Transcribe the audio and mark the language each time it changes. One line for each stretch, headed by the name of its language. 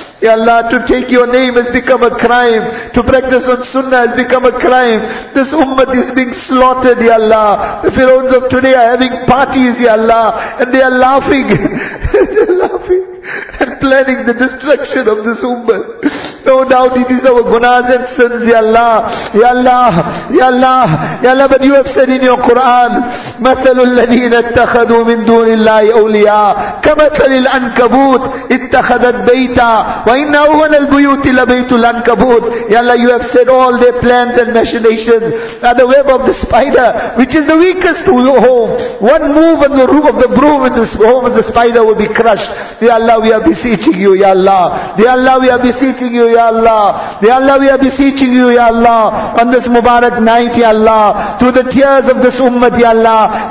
English: Ya Allah, to take your name has become a crime. To practice on sunnah has become a crime. This ummah is being slaughtered, Ya Allah. The firouns of today are having parties, Ya Allah. And they are laughing. They're laughing and planning the destruction of this ummah. No doubt it is our gunas and sins, Ya Allah.
Arabic: Ya Allah, Ya Allah, Ya Allah,
English: but you have said in your Quran,
Arabic: مَثَلُ الَّذِينَ اتَّخَذُوا مِن دُونِ اللَّهِ أَوْلِيَاءِ كَمَثَلِ الْعَنْكَبُوتِ اتَّخَذَتْ بَيْتًا وَإِنَّ أَوَّلَ الْبُيُوتِ لَبَيْتُ الْعَنْكَبُوتِ.
English: Ya Allah, you have said all their plans and machinations are the web of the spider, which is the weakest to your home. One move on the roof of the broom in this home and the spider will be crushed. Ya Allah, we are beseeching you, Ya Allah. Ya Allah, we are beseeching you, Ya Allah. Ya Allah, we are beseeching you, Ya Allah. On this Mubarak night, Ya Allah, through the tears of this ummah, Ya Allah.